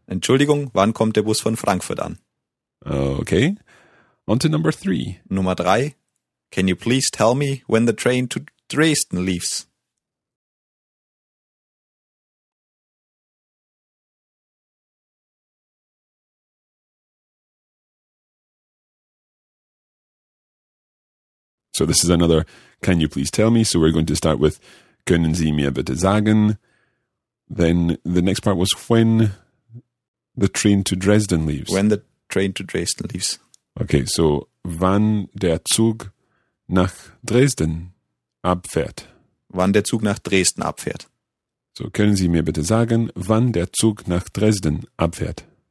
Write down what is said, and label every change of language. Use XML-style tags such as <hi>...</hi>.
<de>Entschuldigung, wann kommt der Bus von Frankfurt an?</de> <en>Okay. On to number three.</en> <de>Nummer drei.</de> <en>Can you please tell me when the train to Dresden leaves? So this is another can you please tell me. So we're going to start with</en> <de>können Sie mir bitte sagen.</de> <en>Then the next part was when the train to Dresden leaves. When the train to Dresden leaves.</en> <de>Okay, so wann der Zug nach Dresden abfährt. Wann der Zug nach Dresden abfährt. So können Sie mir bitte sagen, wann der Zug nach Dresden abfährt.</de>